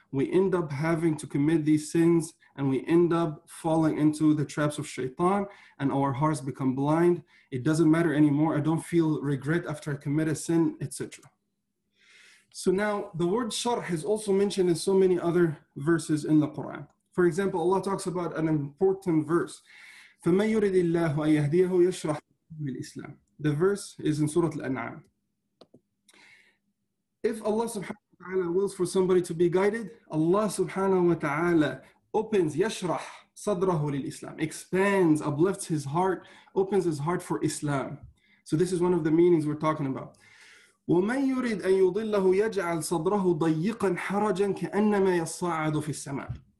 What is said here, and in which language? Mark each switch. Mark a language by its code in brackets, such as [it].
[en] We end up having to commit these sins, and we end up falling into the traps of shaitan, and our hearts become blind. It doesn't matter anymore. I don't feel regret after I commit a sin, etc. So now, the word sharh is also mentioned in so many other verses in the Quran. For example, Allah talks about an important verse. [ar] فَمَن يُرِدِ اللَّهُ أَن يَهْدِيَهُ يَشْرَحْ بِالْإِسْلَامِ. [en] The verse is in Surah Al-An'am. If Allah subhanahu wa ta'ala wills for somebody to be guided, Allah subhanahu wa ta'ala opens, [ar] yashrah sadrahu lil Islam, [en] expands, uplifts his heart, opens his heart for Islam. So this is one of the meanings we're talking about. [ar] وَمَنْ يُرِدْ أَن يُضِلَّهُ يَجْعَلْ صَدْرَهُ ضَيِّقًا حَرَجًا كَأَنَّمَا يَصَّعَدُ فِي السَّمَاءِ.